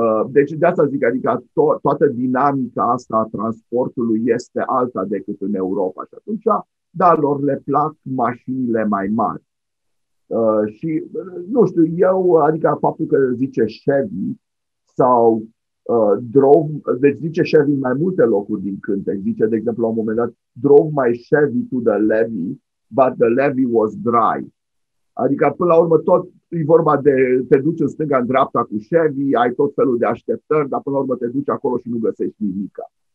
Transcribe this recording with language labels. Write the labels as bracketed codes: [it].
[ro] Deci de asta zic, adică toată dinamica asta a transportului este alta decât în Europa. Și atunci, da, lor le plac mașinile mai mari. Și nu știu, eu, adică faptul că zice Chevy sau drove, deci zice Chevy în mai multe locuri din cântec. Zice, de exemplu, la un moment dat, [en] drove my Chevy to the levee, but the levee was dry. [ro] Adică, până la urmă, tot e vorba de te duci în stânga, în dreapta cu Chevy, ai tot felul de așteptări, dar până la urmă te duci acolo și nu găsești nimica.